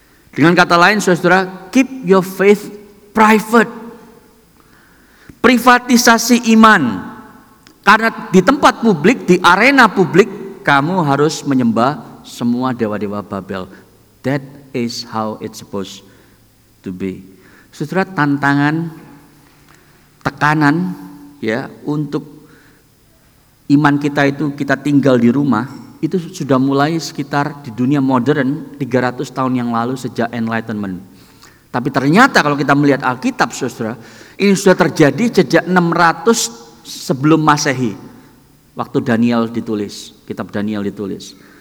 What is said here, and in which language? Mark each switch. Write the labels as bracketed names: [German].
[Indonesian] Dengan kata lain, saudara, [English] keep your faith private. [Indonesian] Privatisasi iman. Karena di tempat publik, di arena publik, kamu harus menyembah semua dewa-dewa Babel. [English] That is how it's supposed to be. [Indonesian] Saudara, tantangan, tekanan, ya, untuk iman kita itu kita tinggal di rumah, itu sudah mulai sekitar di dunia modern 300 tahun yang lalu sejak Enlightenment. Tapi ternyata kalau kita melihat Alkitab, saudara, ini sudah terjadi sejak 600 sebelum Masehi, waktu Daniel ditulis, kitab Daniel ditulis.